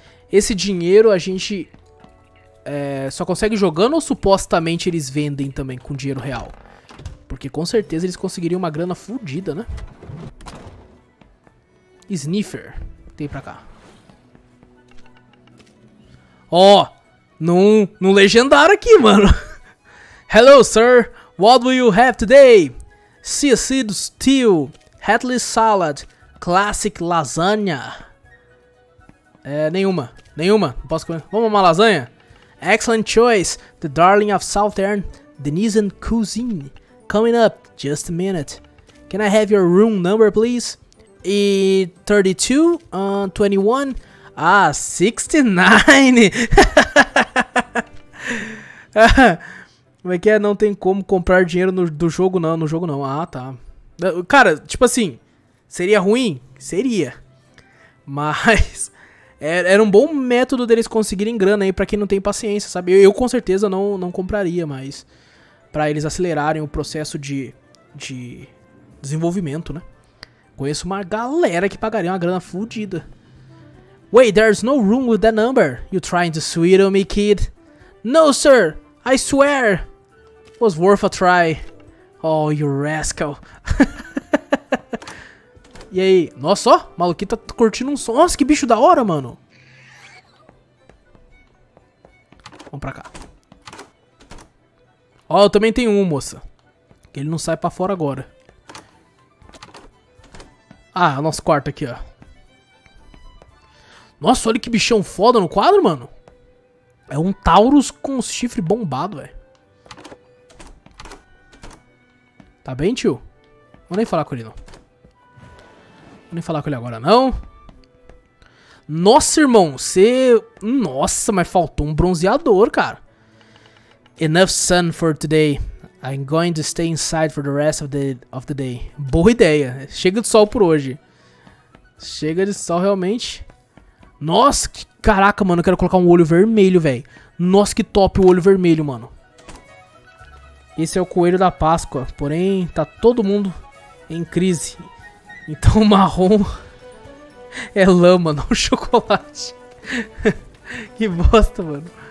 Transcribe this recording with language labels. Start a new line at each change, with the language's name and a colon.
Portuguese: Esse dinheiro a gente... É, só consegue jogando ou supostamente eles vendem também com dinheiro real? Porque com certeza eles conseguiriam uma grana fodida, né? Sniffer. Tem pra cá. Ó! Oh, num legendário aqui, mano.
English: Hello, sir. What will you have today? Sea seed stew. Hatley salad. Classic lasagna. É, nenhuma. Nenhuma. Não posso comer. Vamos uma lasanha? Excellent choice. The darling of Southern Denizen cuisine. Coming up. Just a minute. Can I have your room number, please?
Portuguese: E 32, 21, ah, 69. Como é que é? Não tem como comprar dinheiro do jogo, não. No jogo, não. Ah, tá. Cara, tipo assim, seria ruim? Seria. Mas era um bom método deles conseguirem grana aí pra quem não tem paciência, sabe? Eu com certeza não compraria, mas pra eles acelerarem o processo de desenvolvimento, né? Conheço uma galera que pagaria uma grana fodida.
English: Wait, there's no room with that number. You trying to swindle me, kid? No, sir. I swear. Was worth a try. Oh, you rascal.
Portuguese: E aí? Nossa, ó. O maluquinho tá curtindo um som. Nossa, que bicho da hora, mano. Vamos pra cá. Ó, eu também tenho um, moça. Ele não sai pra fora agora. Ah, nosso quarto aqui, ó. Nossa, olha que bichão foda no quadro, mano. É um Taurus com chifre bombado, velho. Tá bem, tio? Vou nem falar com ele, não. Vou nem falar com ele agora, não. Nossa, irmão, você... Nossa, mas faltou um bronzeador, cara.
English: Enough sun for today. I'm going to stay inside for the rest of the day.
Portuguese: Boa ideia. Chega de sol por hoje. Chega de sol realmente. Nossa, que caraca, mano. Eu quero colocar um olho vermelho, velho. Nossa, que top o olho vermelho, mano. Esse é o coelho da Páscoa. Porém, tá todo mundo em crise. Então o marrom é lama, não chocolate. Que bosta, mano.